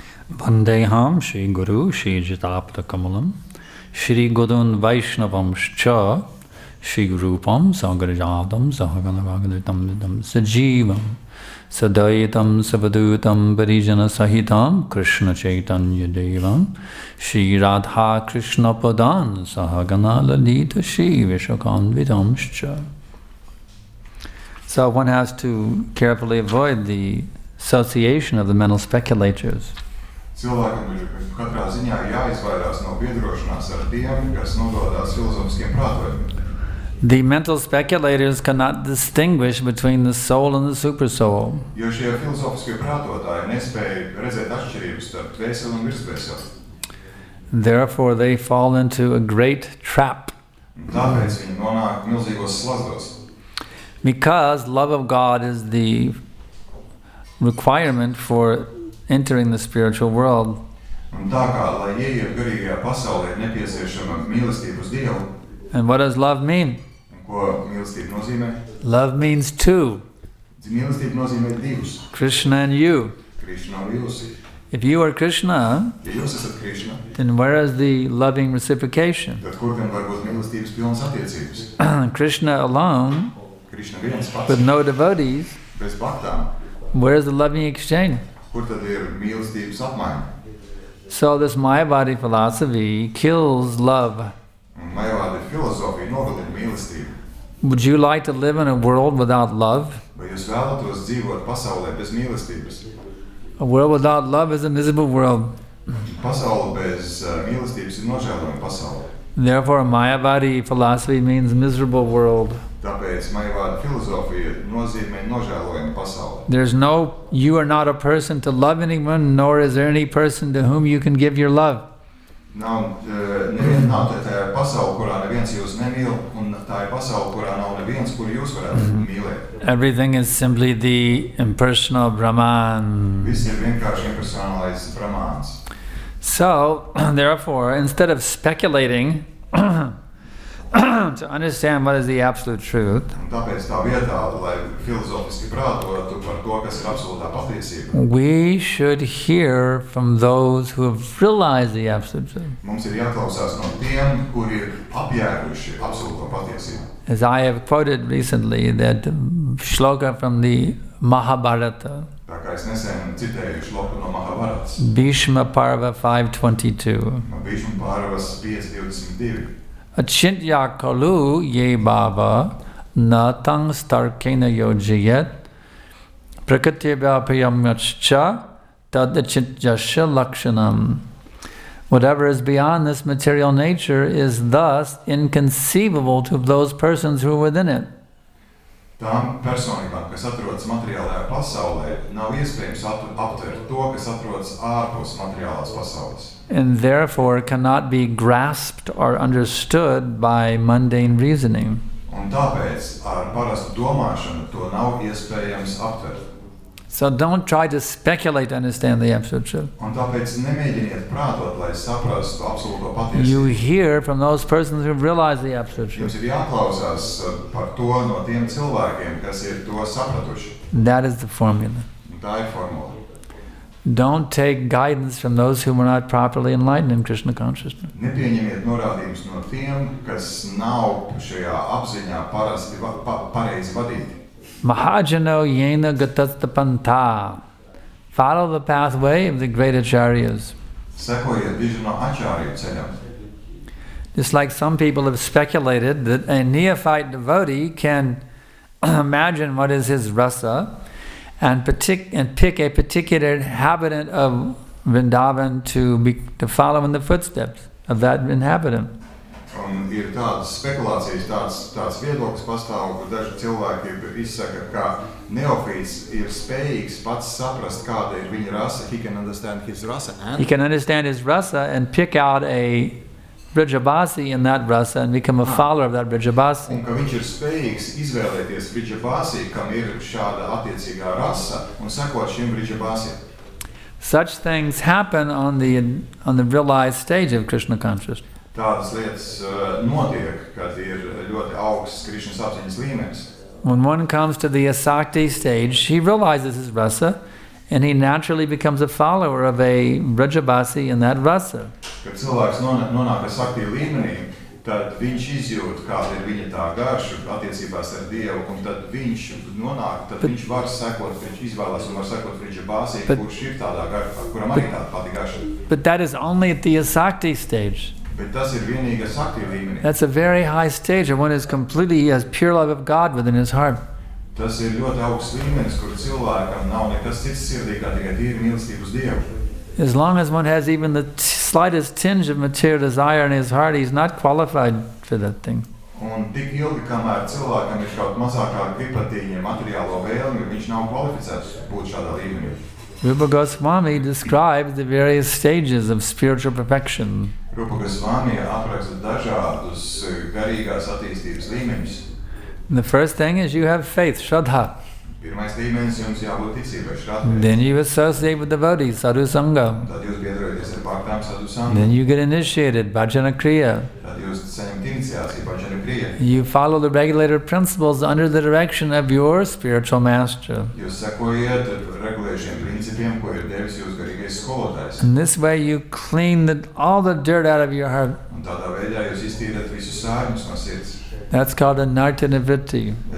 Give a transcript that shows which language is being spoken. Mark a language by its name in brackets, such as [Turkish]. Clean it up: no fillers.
[Sanskrit] Vandeham Shri Guru Shri Jitapta Kamalam Shri Gudun Vaishnavam Shcha Shri Rupam Sangharajadam Sahaganavagadritam Vidam Sajivam Sadayitam Savadutam Parijana Sahitam Krishna Chaitanya Devam Shri Radha Krishna Padan Sahagana Lalita Shri Vishakan Vidamscha. [English] So one has to carefully avoid the association of the mental speculators. [Latvian] Cilvēkam ir katrā ziņā jāizvairās no biedrošanās ar tiem, kas nododās filozofiskiem prātojumiem. [English] The mental speculators cannot distinguish between the soul and the supersoul. [Latvian] Jo šie filozofiskie prātotāji nespēj redzēt atšķirības starp dvēseli un virsdvēseli. [English] Therefore they fall into a great trap. [Latvian] Tāpēc viņi nonāk milzīgos slazdos. [English] Because love of God is the requirement for entering the spiritual world. [Latvian] Un tā kā, lai ieiet garīgajā pasaulē, ir nepieciešama mīlestība uz Dievu. [English] And what does love mean? [Latvian] Un ko mīlestība nozīmē? [English] Love means two. [Latvian] Mīlestība nozīmē divus. [English] Krishna and you. [Latvian] Krishna un jūs. [English] If you are Krishna, [Latvian] ja jūs esat Krishna, [English] then where is the loving reciprocation? [Latvian] Tad kur gan var būt mīlestības pilnas attiecības? [English] Krishna alone, [Latvian] Krishna viens pats, [English] with no devotees, [Latvian] bez bhaktām, [English] where is the loving exchange? [Latvian] Kur tad ir mīlestības apmaiņa? [English] So this Mayavadi philosophy kills love. [Latvian] Mayavadi filozofija nogalina mīlestību. [English] Would you like to live in a world without love? [Latvian] Vai jūs vēlētos dzīvot pasaulē bez mīlestības? [English] A world without love is a miserable world. [Latvian] Pasaule bez mīlestības ir nožēlojama pasaule. [English] Therefore, Mayavadi philosophy means miserable world. [Latvian] Tāpēc Mayavadi filozofija nozīmē nožēlojamu pasauli. [English] There's no, you are not a person to love anyone, nor is there any person to whom you can give your love. [Latvian] Nav tā pasaule, kurā neviens jūs nemīl, un tā ir pasaule, kurā nav neviens, kuru jūs varat mīlēt. [English] Everything is simply the impersonal Brahman. [Latvian] Viss ir vienkārši impersonalais Brahmāns. [English] So, therefore, instead of speculating to understand what is the absolute truth, [Latvian] tāpēc tā vietā, lai filozofiski prātotu par to, kas ir absolūtā patiesība, [English] we should hear from those who have realized the absolute truth. [Latvian] Mums ir jāklausās no tiem, kuri ir apjēguši absolūtā patiesība. [English] As I have quoted recently, that shloka from the Mahabharata, [Latvian] tā kā es nesen citēju šloku no Mahabharatas, [English] Bhishma Parva 5.22, [Latvian] Bhishma Parvas 5.22, [Sanskrit] Achintya kalu ye bhava na tang starkena yojiyat prakatyabhyamyaccha tad achintyasya lakshanam. [English] Whatever is beyond this material nature is thus inconceivable to those persons who are within it. [Latvian] Tām personībām, kas atrodas materiālajā pasaulē, nav iespējams aptvert to, kas atrodas ārpus materiālās pasaules. [English] And therefore cannot be grasped or understood by mundane reasoning. [Latvian] Un tāpēc ar parastu domāšanu to nav iespējams aptvert. [English] So don't try to speculate to understand the absolute truth. [Latvian] Un tāpēc nemēģiniet prātot, lai saprastu absolūto patiesību. [English] You hear from those persons who realize the absolute truth. [Latvian] Jums ir jāklausās par to no tiem cilvēkiem, kas ir to sapratuši. [English] That is the formula. [Latvian] Tā ir formula. [English] Don't take guidance from those who are not properly enlightened in Krishna consciousness. [Latvian] Nepieņemiet norādījumus no tiem, kas nav šajā apziņā parasti pareizi vadīti. [Sanskrit] Mahajano yena gatastapanta. [English] Follow the pathway of the great acharyas. [Latvian] Sekoyat vijano acharya ceļam. [English] Just like some people have speculated that a neophyte devotee can imagine what is his rasa and pick a particular inhabitant of Vrindavan to follow in the footsteps of that inhabitant. [Latvian] Un ir tādas spekulācijas, tāds viedoklis pastāv, kur daži cilvēki ir izsaka, ka neofīts ir spējīgs pats saprast, kāda ir viņa rasa. [English] He can understand his rasa and... He can understand his rasa and pick out a Vrijabhasi in that rasa and become a follower of that Vrijabhasi. [Latvian] Un ka viņš ir spējīgs izvēlēties Vrijabhasi, kam ir šāda attiecīgā rasa, un sekot šim Vrijabhasi. [English] Such things happen on the realized stage of Krishna consciousness. [Latvian] Tādas lietas notiek, kad ir ļoti augsts Krishna apziņas līmenis. [English] When one comes to the asakti stage, he realizes his rasa, and he naturally becomes a follower of a Vrijabhasi in that rasa. [Latvian] Kad cilvēks nonāk asakti līmenī, tad viņš izjūt, kāda ir viņa tā garša attiecībās ar Dievu, un tad viņš nonāk, tad viņš var sekot, viņš izvēlas un var sekot Vrijabhasi, kurš ir tādā garša, kuram arī tāda pati garša. [English] But that is only at the asakti stage. [Latvian] Bet tas ir vienīga sakti līmenī. [English] That's a very high stage and one is completely has pure love of God within his heart. [Latvian] Tas ir ļoti augsts līmenis, kur cilvēkam nav nekas cits sirdī, kā tikai tīra mīlestība uz Dievu. [English] As long as one has even the slightest tinge of material desire in his heart, he's not qualified for that thing. [Latvian] Un tik ilgi, kamēr cilvēkam ir kaut mazākā gribatīņa materiālo vēlmi, jo viņš nav kvalificēts būt šādā līmenī. [English] Rupa Goswami describes the various stages of spiritual perfection. [Latvian] Rupa Goswami apraksta dažādus garīgās attīstības līmeņus. [English] The first thing is you have faith, shraddha. [Latvian] Pirmais līmenis jums jābūt ticībai, shraddha. [English] Then you associate with devotees, sadhu sangha. [Latvian] Tad jūs biedrojaties ar bhaktām, sadhu sangha. [English] Then you get initiated, bhajana kriya. [Latvian] Tad jūs saņemat iniciāciju, bhajana kriya. [English] You follow the regulator principles under the direction of your spiritual master. [Latvian] Jūs sekojat regulējošiem principiem, ko ir devis jūs garīgais skolotājs. [English] In this way you clean all the dirt out of your heart. [Latvian] Un tādā veidā jūs iztīrāt visus sārņus no sirds. [English] That's called a nartanivritti.